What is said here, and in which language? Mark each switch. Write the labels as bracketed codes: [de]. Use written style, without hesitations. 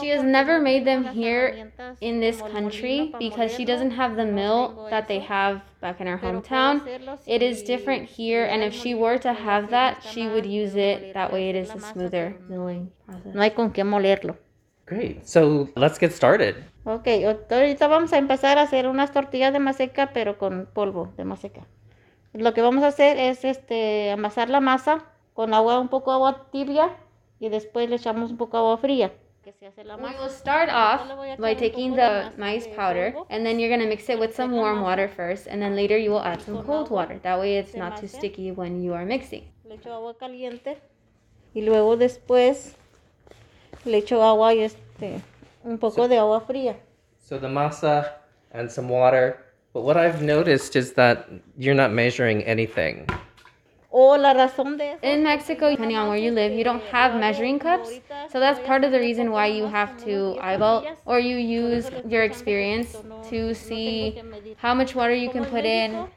[en] She has never made them here in this country because she doesn't have the mill that they have back in her hometown. It is different here, and if she were to have that, she would use it. That way it is a smoother milling process. [es] No hay con qué molerlo. [en] Great. So let's get started. [es] Okay, ahorita vamos a empezar a hacer unas tortillas de maseca, pero con polvo de maseca. Lo que vamos a hacer es amasar la masa con agua, un poco agua tibia, y después le echamos un poco agua fría. [en] We will start off by taking the maize powder, and then you're going to mix it with some warm water first, and then later you will add some cold water. That way it's not too sticky when you are mixing. [es] Le echo agua caliente, y luego después le echo agua y un poco de agua fría. [en] So the masa and some water. But what I've noticed is that you're not measuring anything. In Mexico, depending on where you live, you don't have measuring cups. So that's part of the reason why you have to eyeball or you use your experience to see how much water you can put in.